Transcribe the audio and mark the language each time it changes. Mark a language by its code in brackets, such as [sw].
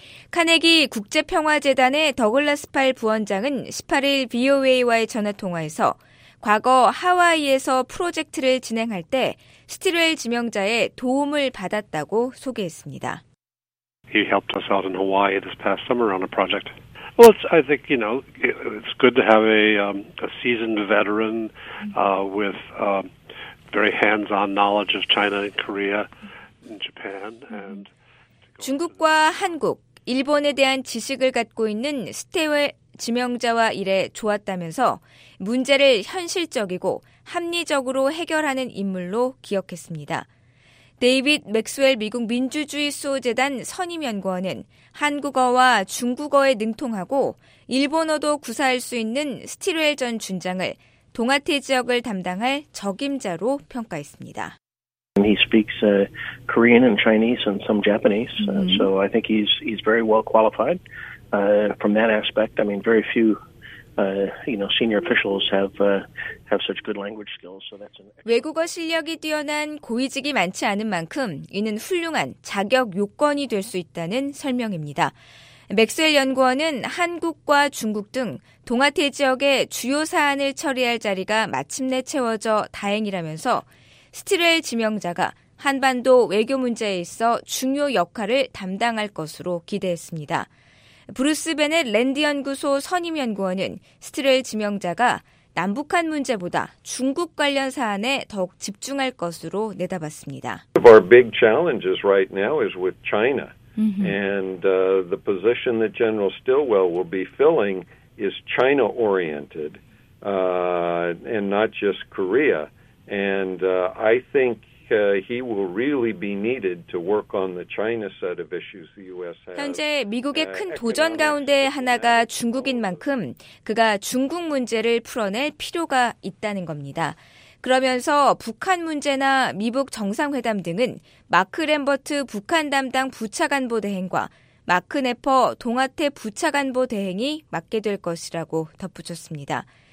[ko] 카네기 국제평화재단의 더글라스 팔 부원장은 18일 VOA와의 전화통화에서 과거 하와이에서 프로젝트를 진행할 때 스틸웰 지명자의 도움을 받았다고 소개했습니다. [en] He helped us out in Hawaii this past summer on a project. Well, I think, you know, it's good to have a seasoned veteran with very hands-on knowledge of China and Korea and Japan. And [ko] 중국과 한국, 일본에 대한 지식을 갖고 있는 스틸웰 지명자와 일해 좋았다면서 문제를 현실적이고 합리적으로 해결하는 인물로 기억했습니다. 데이비드 맥스웰 미국 민주주의 수호재단 선임연구원은 한국어와 중국어에 능통하고 일본어도 구사할 수 있는 스틸웰 전 준장을 동아태 지역을 담당할 적임자로 평가했습니다. [en] He speaks Korean and Chinese and some Japanese, so I think he's very well qualified. From that aspect, I mean, very few, you know, senior officials have such good language skills. So that's an [ko] 외국어 실력이 뛰어난 고위직이 많지 않은 만큼 이는 훌륭한 자격 요건이 될 수 있다는 설명입니다. 맥스웰 연구원은 한국과 중국 등 동아태 지역의 주요 사안을 처리할 자리가 마침내 채워져 다행이라면서 스틸웰 지명자가 한반도 외교 문제에 있어 중요 역할을 담당할 것으로 기대했습니다. 브루스 베넷 랜드연구소 선임연구원은 스틸웰 지명자가 남북한 문제보다 중국 관련 사안에 더욱 집중할 것으로 내다봤습니다. [en] One of our big challenges right now is with China. And the position that General Stilwell will be filling is China-oriented, and not just Korea. And I think he will really be needed to work on the China set of issues the U.S. has. [ko] 현재 미국의 큰 도전 가운데 하나가 중국인 만큼 그가 중국 문제를 풀어낼 필요가 있다는 겁니다. 그러면서 북한 문제나 미북 정상회담 등은 마크 램버트 북한 담당 부차관보 대행과 마크 네퍼 동아태 부차관보 대행이 맡게 될 것이라고 덧붙였습니다.